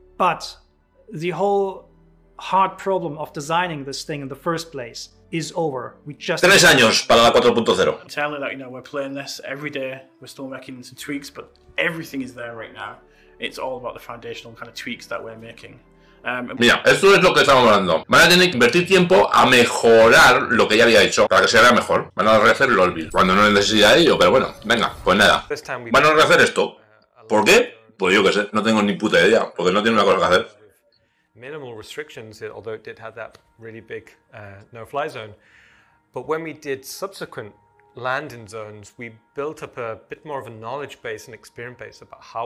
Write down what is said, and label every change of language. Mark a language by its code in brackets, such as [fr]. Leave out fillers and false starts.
[en] But the whole hard problem of designing this thing in the first place... is over. We just [es] 3 años para la 4.0. [en] I'm telling you that, you know, we're playing this every day. We're still making some tweaks, but everything is there right now. It's all about the foundational kind of tweaks that we're making. [es] Mira, esto es lo que estamos hablando. Van a tener que invertir tiempo a mejorar lo que ya había hecho para que se vea mejor. Van a rehacer lo olvido cuando no necesita ello, pero bueno, venga, pues nada. Van a rehacer esto. ¿Por qué? Pues yo qué sé, no tengo ni puta idea, porque no tiene una cosa que hacer. [en] Minimal restrictions, although it did have that really big no-fly zone. But when we did subsequent land in zones, we built up a bit more of a knowledge base and experience base about how